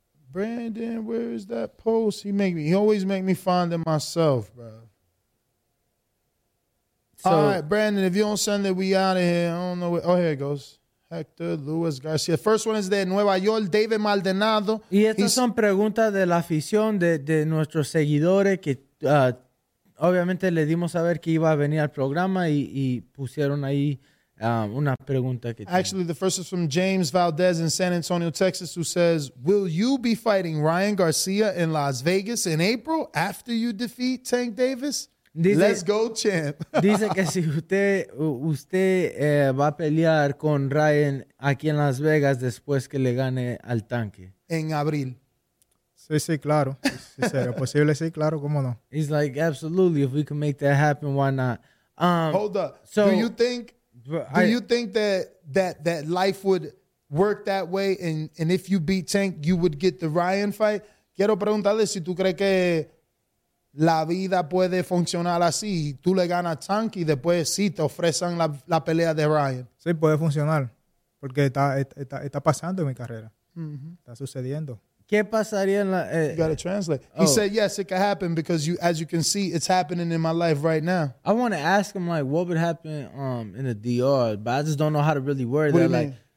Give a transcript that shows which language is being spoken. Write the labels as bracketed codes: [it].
[en] Brandon, where is that post? He always make me find it myself, bro. So, all right, Brandon, if you don't send it, we out of here. I don't know. Oh, here it goes. Hector Luis Garcia. First one is de Nueva York, David Maldonado. [es] Y estas son preguntas de la afición de nuestros seguidores que. Obviamente le dimos a ver que iba a venir al programa y pusieron ahí una pregunta que [en] actually tiene. The first is from James Valdez in San Antonio, Texas, who says, will you be fighting Ryan Garcia in Las Vegas in April after you defeat Tank Davis? Dice, let's go, champ. [es] Dice que si usted va a pelear con Ryan aquí en Las Vegas después que le gane al Tanque. En abril. Sí, claro. Sí, posible, sí, claro, cómo no. [en] He's like, absolutely, if we can make that happen, why not? Hold up. So, do you think that life would work that way and if you beat Tank, you would get the Ryan fight? [es] Quiero preguntarle si tú crees que la vida puede funcionar así. Tú le ganas a Tank y después sí te ofrecen la pelea de Ryan. Sí, puede funcionar porque está pasando en mi carrera. Mm-hmm. Está sucediendo. ¿Qué pasaría en la, [en] You got to translate. Oh. He said, yes, it could happen because, you, as you can see, it's happening in my life right now. I want to ask him, like, what would happen in a DR, but I just don't know how to really word that.